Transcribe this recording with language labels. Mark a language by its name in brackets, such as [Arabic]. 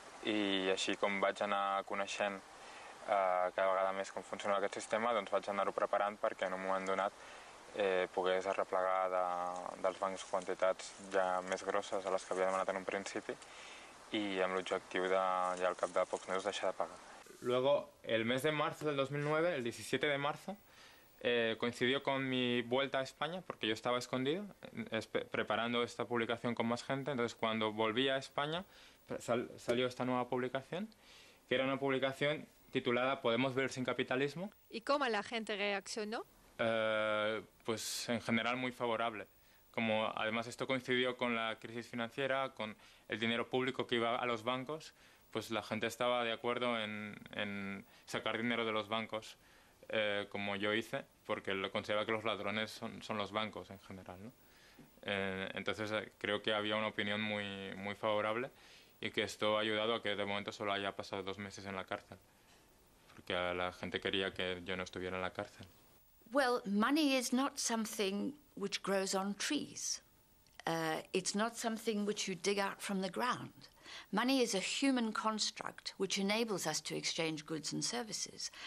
[Catalan] I així com vaig anar coneixent cada vegada més com funciona aquest sistema, doncs vaig anar-ho preparant perquè en un moment donat pogués arreplegar dels bancs quantitats ja més grosses a les que havia demanat en un principi i amb l'objectiu de ja al cap de pocs mesos deixar de pagar. [Spanish] Luego, el mes de marzo del 2009, el 17 de marzo, coincidió con mi vuelta a España, porque yo estaba escondido, preparando esta publicación con más gente. Entonces, cuando volví a España, salió esta nueva publicación, que era una publicación titulada Podemos vivir sin capitalismo. ¿Y cómo la gente reaccionó? Pues, en general, muy favorable. Como, además, esto coincidió con la crisis financiera, con el dinero público que iba a los bancos, pues la gente estaba de acuerdo en sacar dinero de los bancos, como yo hice, porque lo consideraba que los ladrones son los bancos en general, ¿no? Entonces creo que había una opinión muy, muy favorable y que esto ha ayudado a que de momento solo haya pasado 2 meses en la cárcel, porque la gente quería que yo no estuviera en la cárcel. [English] Well, money is not something which grows on trees. It's not something which you dig out from the ground. Money is a human construct which enables us to exchange goods and services.